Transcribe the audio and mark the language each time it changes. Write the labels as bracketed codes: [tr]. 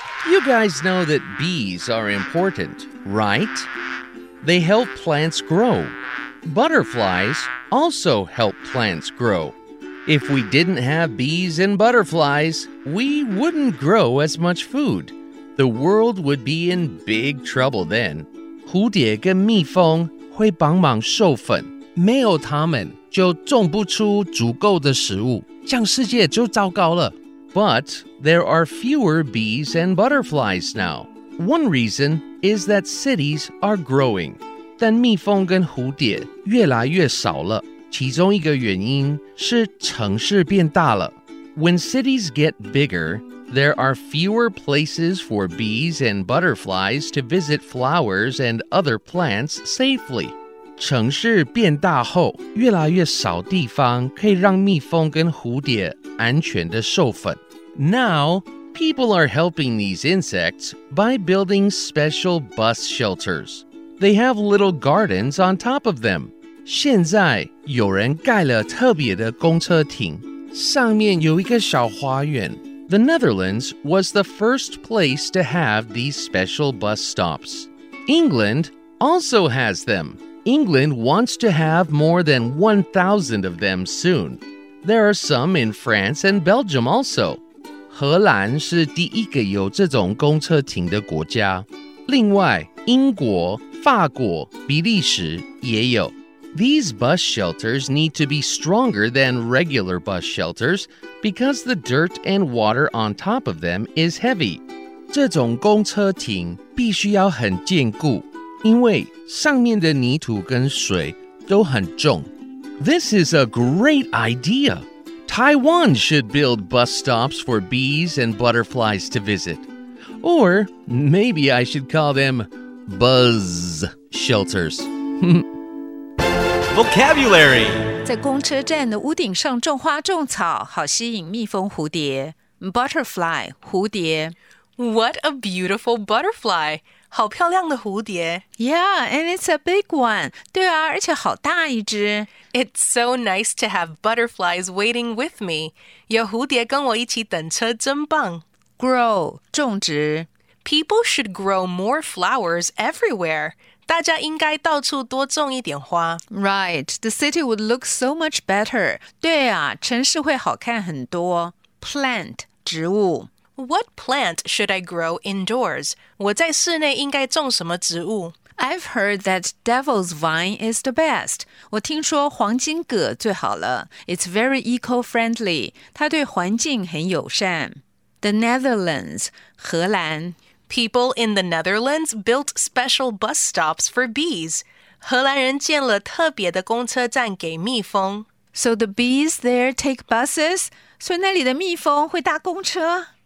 [en] You guys know that bees are important, right? They help plants grow. Butterflies also help plants grow. If we didn't have bees and butterflies, we wouldn't grow as much food. The world would be in big trouble then. [zh] 蝴蝶跟蜜蜂会帮忙授粉，没有它们就种不出足够的食物，这样世界就糟糕了。 [en] But there are fewer bees and butterflies now. One reason is that cities are growing. [zh] 但蜜蜂跟蝴蝶越来越少了，其中一个原因是城市变大了。 [en] When cities get bigger, there are fewer places for bees and butterflies to visit flowers and other plants safely. [zh] 城市变大后，越来越少地方可以让蜜蜂跟蝴蝶安全地授粉。 [en] Now, people are helping these insects by building special bus shelters. They have little gardens on top of them. [zh] 现在有人盖了特别的公车亭，上面有一个小花园。 [en] The Netherlands was the first place to have these special bus stops. England also has them. England wants to have more than 1,000 of them soon. There are some in France and Belgium also. [zh] 荷兰是第一个有这种公车亭的国家。另外，英国、法国、比利时也有。 [en] These bus shelters need to be stronger than regular bus shelters because the dirt and water on top of them is heavy. [zh] 这种公车亭必须要很坚固，因为上面的泥土跟水都很重。 [en] This is a great idea. Taiwan should build bus stops for bees and butterflies to visit. Or maybe I should call them buzz shelters. Vocabulary. [zh] 在公车站的屋顶上种花种草，好吸引蜜蜂蝴蝶。 [en] Butterfly, 蝴蝶。 What a beautiful butterfly. [zh] 好漂亮的蝴蝶。 [en] Yeah, and it's a big one. [zh] 对啊，而且好大一只。 [en] It's so nice to have butterflies waiting with me. [zh] 有蝴蝶跟我一起等车真棒。 [en] Grow, 种植。 People should grow more flowers everywhere. [zh] 大家应该到处多种一点花。 [en] Right, the city would look so much better. [zh] 对啊，城市会好看很多。Plant, 植物。 [en] What plant should I grow indoors? [zh] 我在室内应该种什么植物？ [en] I've heard that devil's vine is the best. [zh] 我听说黄金葛最好了。 [en] It's very eco-friendly. [zh] 它对环境很友善。The Netherlands, 荷兰。 [en] People in the Netherlands built special bus stops for bees. [zh] 荷兰人建了特别的公车站给蜜蜂。 [en] So the bees there take buses? [zh] 所以那里的蜜蜂会搭公车？